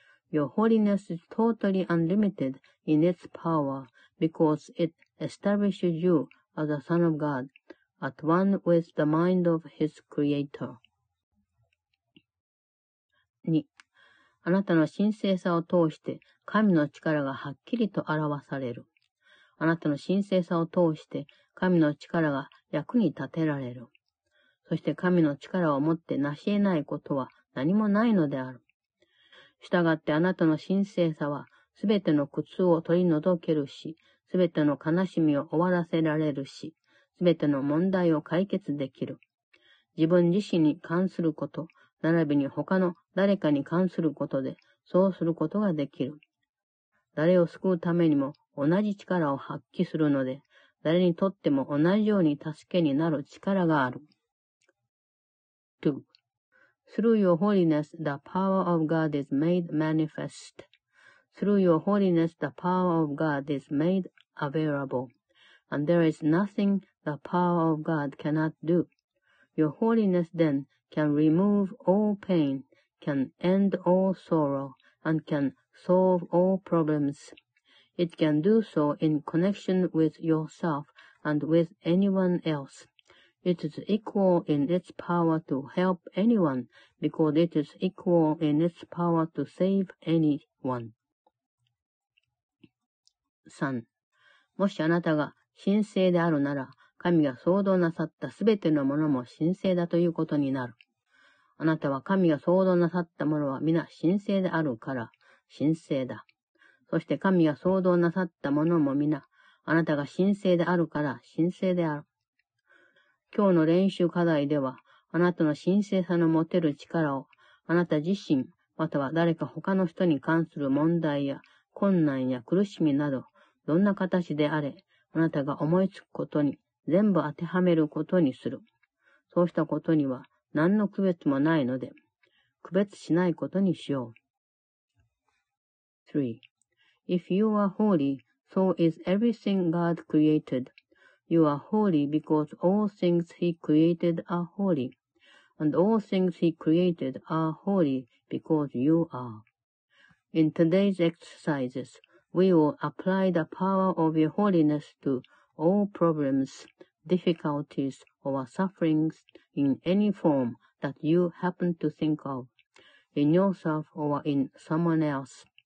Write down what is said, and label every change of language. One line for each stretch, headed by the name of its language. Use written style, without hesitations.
English: Your holiness is totally unlimited in its power because it establishes youas a son of God, at one with the mind of his creator.
Japanese: 2. あなたの神聖さを通して神の力がはっきりと表される。あなたの神聖さを通して神の力が役に立てられる。そして神の力をもって成し得ないことは何もないのである。したがってあなたの神聖さはすべての苦痛を取り除けるし、すべての悲しみを終わらせられるし、すべての問題を解決できる。自分自身に関すること、並びに他の誰かに関することで、そうすることができる。誰を救うためにも、同じ力を発揮するので、誰にとっても同じように助けになる力がある。
English: 2.Through your holiness, the power of God is made manifest. Through your holiness, the power of God is made available. And there is nothing the power of God cannot do. Your holiness then can remove all pain, can end all sorrow, and can solve all problems. It can do so in connection with yourself and with anyone else. It is equal in its power to help anyone because it is equal in its power to save anyone.
Japanese: 3. もしあなたが神聖であるなら、神が創造なさったすべてのものも神聖だということになる。あなたは神が創造なさったものは皆神聖であるから、神聖だ。そして神が創造なさったものも皆、あなたが神聖であるから、神聖である。今日の練習課題では、あなたの神聖さの持てる力を、あなた自身、または誰か他の人に関する問題や困難や苦しみなど、どんな形であれ、あなたが思いつくことに全部当てはめることにする。そうしたことには、何の区別もないので、区別しないことにしよう。
English: 3. If you are holy, so is everything God created. You are holy because all things he created are holy, and all things he created are holy because you are. In today's exercises, we will apply the power of your holiness to all problems, difficulties, or sufferings in any form that you happen to think of, in yourself or in someone else.